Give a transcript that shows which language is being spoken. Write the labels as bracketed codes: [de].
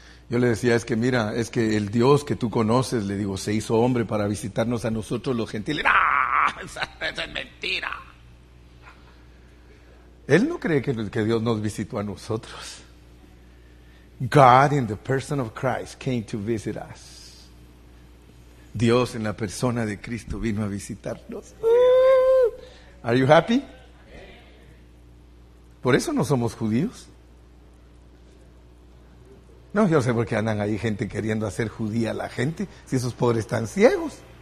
[es] Yo le decía, es que mira, es que el Dios que tú conoces, le digo, se hizo hombre para visitarnos a nosotros los gentiles. ¡Ah! Esa es mentira. Él no cree que Dios nos visitó a nosotros. [en] God in the person of Christ came to visit us. [es] Dios en la persona de Cristo vino a visitarnos. [en] Are you happy? [es] Por eso no somos judíos. No, yo sé por qué andan ahí gente queriendo hacer judía a la gente, si esos pobres están ciegos.